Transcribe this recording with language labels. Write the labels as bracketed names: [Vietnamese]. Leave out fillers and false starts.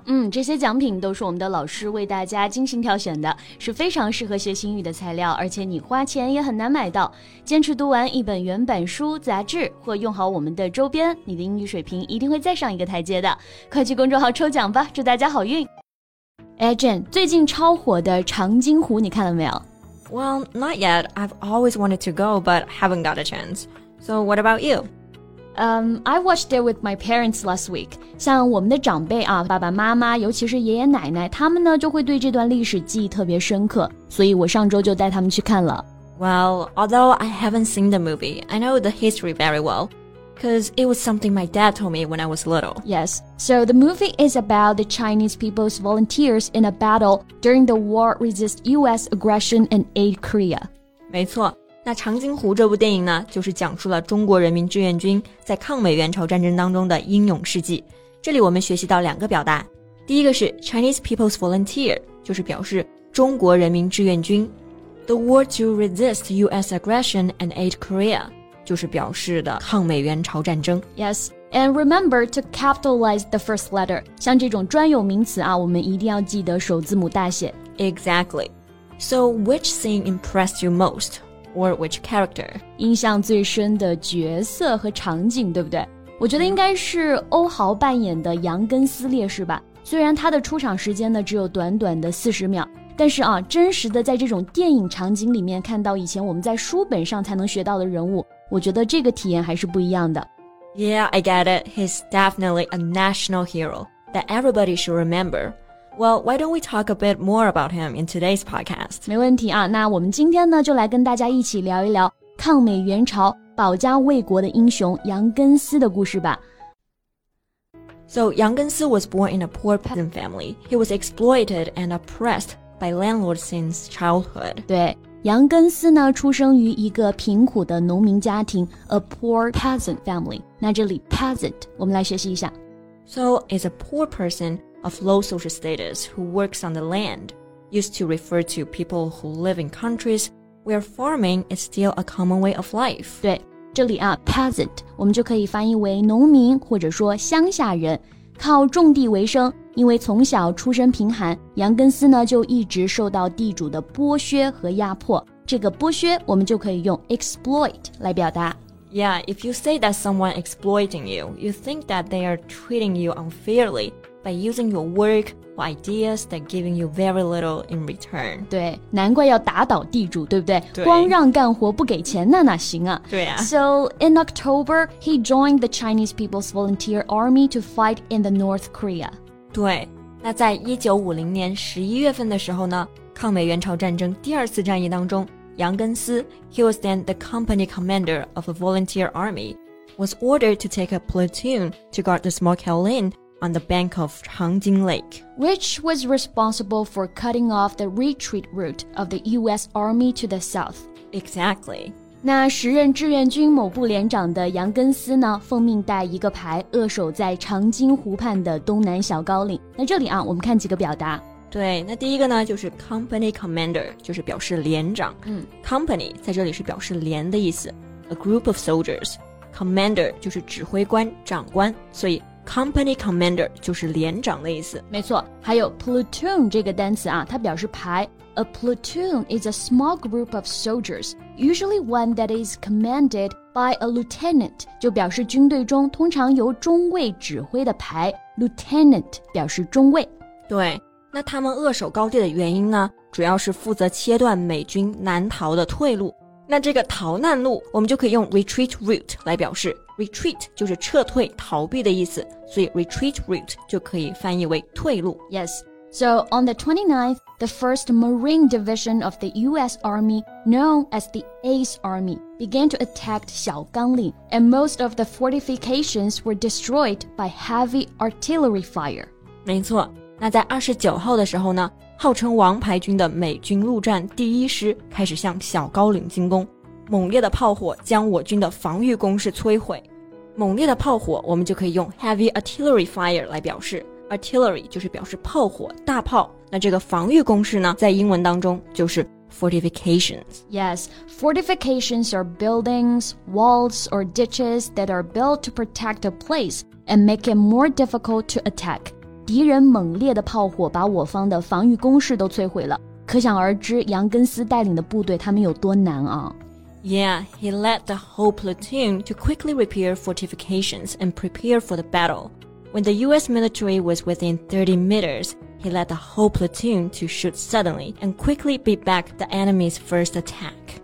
[Chinese] 嗯，这些奖品都是我们的老师为大家精心挑选的，是非常适合学习英语的材料，而且你花钱也很难买到。坚持读完一本原版书、杂志或用好我们的周边，你的英语水平一定会再上一个台阶的。快去公众号抽奖吧，祝大家好运。哎 Jen, 最近超火的长津湖你看了没有？ [English] Well, not yet. I've always wanted to go, but haven't got a chance. So what about you? I watched it with my parents last week. [Chinese] 像我们的长辈啊，爸爸妈妈，尤其是爷爷奶奶，他们呢就会对这段历史记忆特别深刻，所以我上周就带他们去看了。 [English] Well, although I haven't seen the movie, I know the history very well, because it was something my dad told me when I was little. Yes, so the movie is about the Chinese people's volunteers in a battle during the war resist US aggression and aid Korea. [Chinese] 没错。那长津湖这部电影呢，就是讲述了中国人民志愿军在抗美援朝战争当中的英勇事迹。这里我们学习到两个表达，第一个是 Chinese People's Volunteer， 就是表示中国人民志愿军。 [English] The war to resist US aggression and aid Korea， [Chinese] 就是表示的抗美援朝战争。 [English] Yes, and remember to capitalize the first letter， [Chinese] 像这种专有名词啊，我们一定要记得首字母大写。 [English] Exactly. So which scene impressed you most? Or which character? [Chinese] 印象最深的角色和场景，对不对？我觉得应该是欧豪扮演的杨根思烈士吧。虽然他的出场时间呢只有短短的40秒，但是啊，真实的在这种电影场景里面看到以前我们在书本上才能学到的人物，我觉得这个体验还是不一样的。 [English] Yeah, I get it. He's definitely a national hero that everybody should remember. Well, why don't we talk a bit more about him in today's podcast? [Chinese] 没问题啊，那我们今天呢就来跟大家一起聊一聊抗美援朝保家卫国的英雄杨根思的故事吧。 [English] So, 杨根思 was born in a poor peasant family. He was exploited and oppressed by landlords since childhood. [Chinese] 对，杨根思呢出生于一个贫苦的农民家庭 , [English] a poor peasant family. [Chinese] 那这里 peasant, 我们来学习一下。 [English] So, is a poor person... of low social status who works on the land, used to refer to people who live in countries where farming is still a common way of life. [Chinese] 对，这里啊 peasant, 我们就可以翻译为农民或者说乡下人，靠种地为生。因为从小出身贫寒，杨根思呢就一直受到地主的剥削和压迫。这个剥削我们就可以用 exploit 来表达。 [English] Yeah, if you say that someone exploiting you, you think that they are treating you unfairly. By using your work or ideas that giving you very little in return. [Chinese] 对，难怪要打倒地主，对不对？对，光让干活不给钱，那哪行啊？对啊。 [English] So, in October, he joined the Chinese People's Volunteer Army to fight in the North Korea. [Chinese] 对，那在1950年11月份的时候呢，抗美援朝战争第二次战役当中，杨根思 [English] he was then the company commander of a volunteer army, was ordered to take a platoon to guard the small Kowloon,on the bank of Changjing Lake. Which was responsible for cutting off the retreat route of the U.S. Army to the south. Exactly. [Chinese] 那时任志愿军某部连长的杨根思呢，奉命带一个排扼守在长津湖畔的东南小高岭。那这里啊，我们看几个表达。对，那第一个呢，就是 company commander, 就是表示连长。 Company 在这里是表示连的意思。 [English] A group of soldiers. [Chinese] Commander 就是指挥官、长官。所以Company commander 就是连长的意思。没错，还有 platoon 这个单词啊，它表示排。 [English] A platoon is a small group of soldiers, usually one that is commanded by a lieutenant, [Chinese] 就表示军队中通常由中尉指挥的排。 Lieutenant 表示中尉。对，那他们扼守高地的原因呢，主要是负责切断美军南逃的退路。那这个逃难路我们就可以用 retreat route 来表示。 Retreat 就是撤退、逃避的意思，所以 retreat route 就可以翻译为退路。 [English] Yes, so on the 29th, the 1st Marine Division of the U.S. Army, known as the Ace Army, began to attack 小岗岭, and most of the fortifications were destroyed by heavy artillery fire. [Chinese] 没错，那在29号的时候呢，号称王牌军的美军陆战第一师开始向小岗岭进攻。猛烈的炮火将我军的防御工事摧毁。猛烈的炮火我们就可以用 heavy artillery fire 来表示。 artillery 就是表示炮火、大炮。那这个防御工事呢，在英文当中就是fortifications. [English] Yes, fortifications are buildings, walls, or ditches that are built to protect a place and make it more difficult to attack. [Chinese] 敌人猛烈的炮火把我方的防御工事都摧毁了。可想而知杨根斯带领的部队他们有多难啊。 [English] Yeah, he led the whole platoon to quickly repair fortifications and prepare for the battle. When the US military was within 30 meters,He led the whole platoon to shoot suddenly and quickly beat back the enemy's first attack.